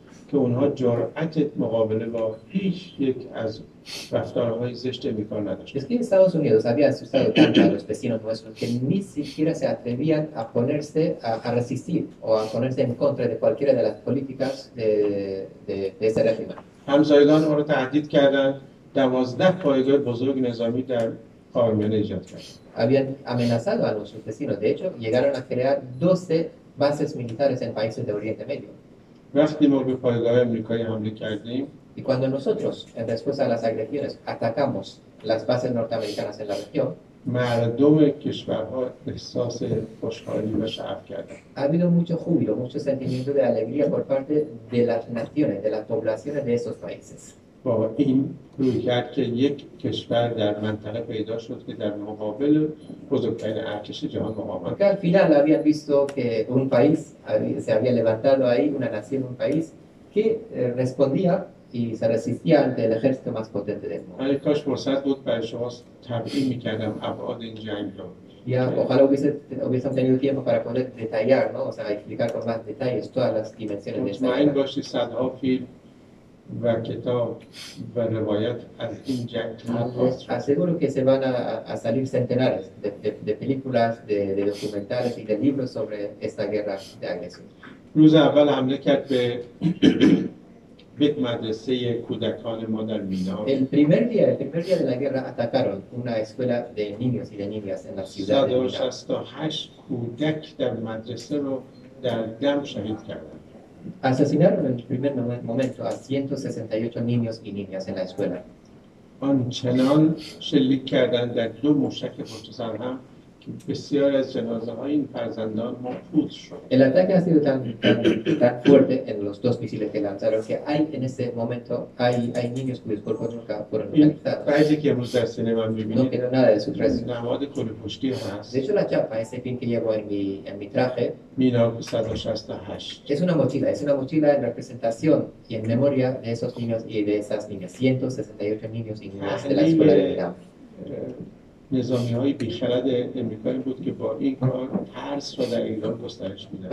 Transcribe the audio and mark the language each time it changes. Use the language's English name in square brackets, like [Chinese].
[Persian] که اونها جرأت مقابله با هیچ یک از رفتارهای زشت امریکا نداشت. [Spanish] Es que Estados Unidos había asustado tanto a los vecinos nuestros que ni siquiera se atrevían a ponerse a resistir o a ponerse en contra de cualquiera de las políticas de ese régimen. [Persian] همسایگان ما رو تهدید کردند. 12 پایگاه بزرگ نظامی در آرمنه ایجاد کردند. [Spanish] Habían amenazado a nuestros vecinos. De hecho, llegaron a crear 12 bases militares en países de Oriente Medio. [Persian] وقتی ما به پایگاه آمریکایی حمله کردیم [Spanish] y cuando nosotros en respuesta a las agresiones atacamos las bases norteamericanas en la región, [Persian] مردم کشورها احساس خوشحالی و شعف کردن. [Spanish] Ha habido mucho júbilo, mucho sentimiento de alegría por parte de las naciones, de las poblaciones de esos países. [Persian] با این رویکرد که یک کشور در منطقه پیدا شد که در مقابل بزرگترین ارتش جهان مقاومت کرد. [Spanish] Porque al final habían visto que un país se había levantado ahí, una nación, un país que respondía y se resistía ante el ejército más potente del mundo. [Persian] من کاش فرصت بود برای شما تبیین میکردم ابعاد این جنگ رو. [Spanish] Ya, ojalá hubiesen tenido tiempo para poder detallar, ¿no? O sea, explicar con más detalles todas las dimensiones de esta guerra. [Persian] مطمئن باشی صدها فیلم و کتاب و روایت از این جنگ تمام است. [Spanish] Aseguro que se van a salir centenares de películas, de documentales y de libros sobre esta guerra de agresión. [Persian] روز اول حمله کرد به یک مدرسه کودکان ما در مینا. [Spanish] El primer día de la guerra atacaron una escuela de niños y de niñas en la ciudad de Mina. [Persian] 168 کودک در مدرسه رو در دم شهید کردند. [Spanish] Asesinaron en el primer momento a 168 niños y niñas en la escuela. [Persian] آنچنان شلیک کردند در دو موشک پشت‌سر هم که بسیاری از جنازه‌های این فرزندان مفقود شد. [Spanish] El ataque ha sido tan fuerte en los dos misiles que lanzaron que hay en ese momento hay niños cuyos cuerpos nunca fueron localizados. No quedó nada de su traje. [Persian] نماد کلی پشتی هست. [Spanish] De hecho la chapa, ese pin que llevo en mi traje. Mina 168. Es una mochila en representación y en memoria de esos niños y de esas niñas. 168 niños y niñas de la escuela de Mina. [Persian] نظامی‌های بی‌خرد آمریکایی بود که با این کار ترس را در ایران گسترش می‌دهند.